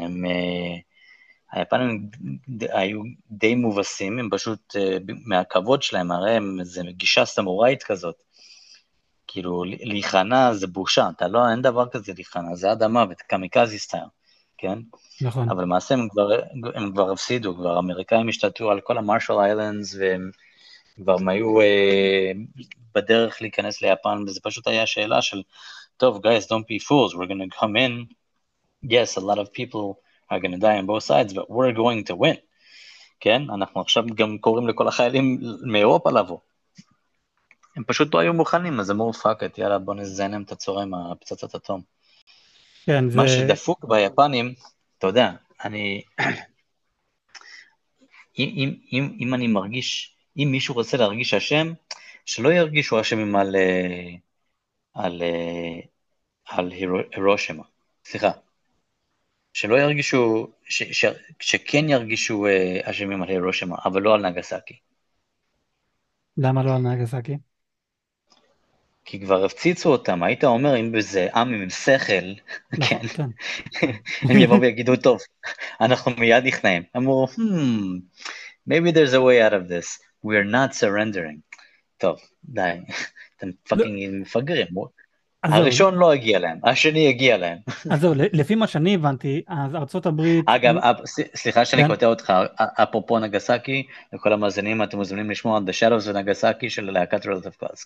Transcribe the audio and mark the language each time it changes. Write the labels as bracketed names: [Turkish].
[Hebrew] הם היפנים היו די מובסים, הם פשוט מהכבוד שלהם, הרי הם איזה גישה סמוראית כזאת, כאילו להיכנע זה בושה, אתה לא, אין דבר כזה להיכנע, זה עד המוות, קמיקזי סטייר, כן? נכון. אבל למעשה הם כבר הפסידו, כבר האמריקאים השתלטו על כל המרשל איילנדס, והם כבר היו בדרך להיכנס ליפן, וזה פשוט היה שאלה של, טוב, [English] guys, don't be fools, we're going to come in, yes, a lot of people are going to die on both sides, but we're going to win. [Hebrew] כן? אנחנו עכשיו גם קוראים לכל החיילים מאירופה לבוא. הם פשוט לא היו מוכנים, אז אמרו, fuck it, יאללה, בוא נזיין להם את הצורם, הפצצת אטום. כן, מה שדפוק ביפנים, אתה יודע, אני, אם, אם, אם אני מרגיש, אם מישהו רוצה להרגיש אשם, שלא ירגישו אשמים על, על, על הירושימה. סליחה. שלא ירגישו, שכן ירגישו אשמים על הירושימה, אבל לא על נגסקי. למה לא על נגסקי? כי כבר הפציצו אותם, היית אומר, אם בזה עם עם שכל, נכון, כן, כן. הם יבואו ויגידו, טוב, אנחנו מיד נכנעים. אמרו, [English] maybe there's a way out of this, we are not surrendering. [Hebrew] טוב, די, אתם פאקינג מפגרים. הראשון לא הגיע להם, השני הגיע להם. אז זהו, לפי מה שאני הבנתי, אז ארצות הברית... אגב, סליחה שאני קוטע אותך, אפרופו נגסקי, לכל המאזינים, אתם מוזמנים לשמוע על The Shadows ונגסקי של הלהקת Relative Cause.